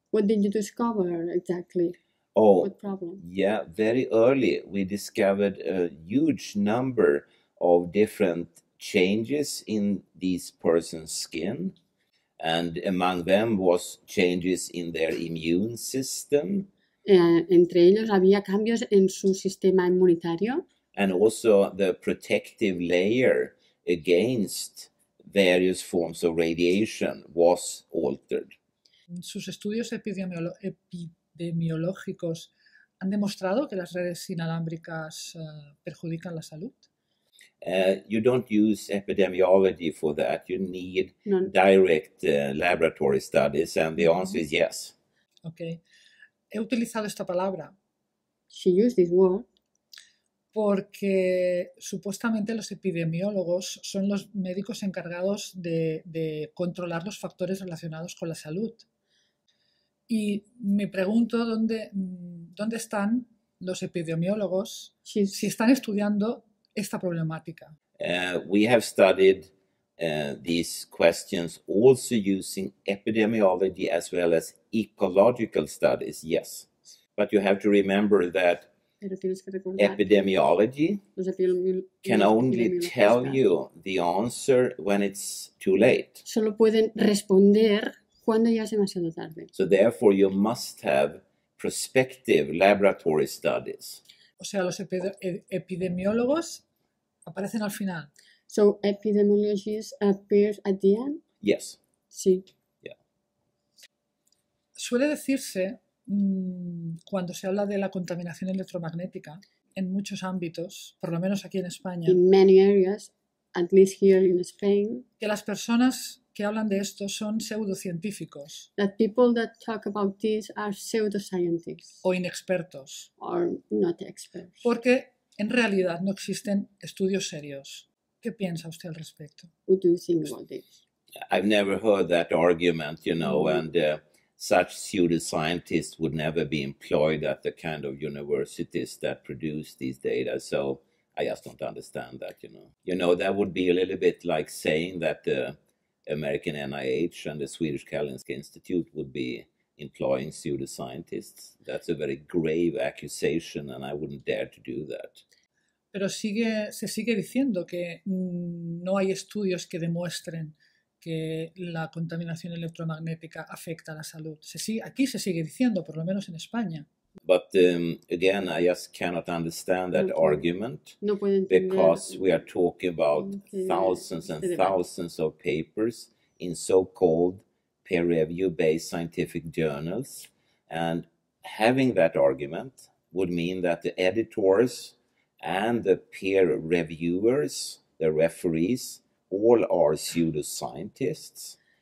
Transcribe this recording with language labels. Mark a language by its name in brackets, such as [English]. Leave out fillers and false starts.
[English] What did you discover exactly? Oh, what problem? Yeah, very early we discovered a huge number of different changes in these persons' skin, and among them was changes in their immune system. [Spanish] Entre ellos había cambios en su sistema inmunitario. [English] And also the protective layer against various forms of radiation was altered. [Spanish] ¿Sus estudios epidemiológicos han demostrado que las redes inalámbricas perjudican la salud? [English] You don't use epidemiology for that. You need direct laboratory studies, and the answer is yes. [Spanish] Okay. He utilizado esta palabra. [English] She used this word. [Spanish] Porque supuestamente los epidemiólogos son los médicos encargados de controlar los factores relacionados con la salud. Y me pregunto dónde están los epidemiólogos si están estudiando esta problemática. [English] We have studied these questions also using epidemiology as well as ecological studies, yes. But you have to remember that epidemiology can only tell you the answer when it's too late. Solo pueden responder cuando ya es demasiado tarde. So therefore you must have prospective laboratory studies. [Spanish] O sea, los epidemiólogos aparecen al final. [English] So epidemiologists appear at the end? Yes. [Spanish] Sí. [English] Yeah. [Spanish] Suele decirse cuando se habla de la contaminación electromagnética en muchos ámbitos, por lo menos aquí en España, [English] in many areas, at least here in Spain, [Spanish] que las personas que hablan de esto son pseudocientíficos, [English] that people that talk about this are pseudoscientists, [Spanish] o inexpertos, [English] or not experts, [Spanish] porque en realidad no existen estudios serios. ¿Qué piensa usted al respecto? [English] What do you think about this? I've never heard that argument, you know, and such pseudoscientists would never be employed at the kind of universities that produce these data. So I just don't understand that, you know. You know, that would be a little bit like saying that the American NIH and the Swedish Karolinska Institute would be employing pseudoscientists. That's a very grave accusation, and I wouldn't dare to do that. [Spanish] Pero se sigue diciendo que no hay estudios que demuestren que la contaminación electromagnética afecta a la salud. Aquí se sigue diciendo, por lo menos en España. [English] But again, I just cannot understand that argument. [Spanish] No puedo entender. [English] Because we are talking about thousands and thousands of papers in so-called peer-review-based scientific journals. And having that argument would mean that the editors and the peer reviewers, the referees, all are pseudoscientists.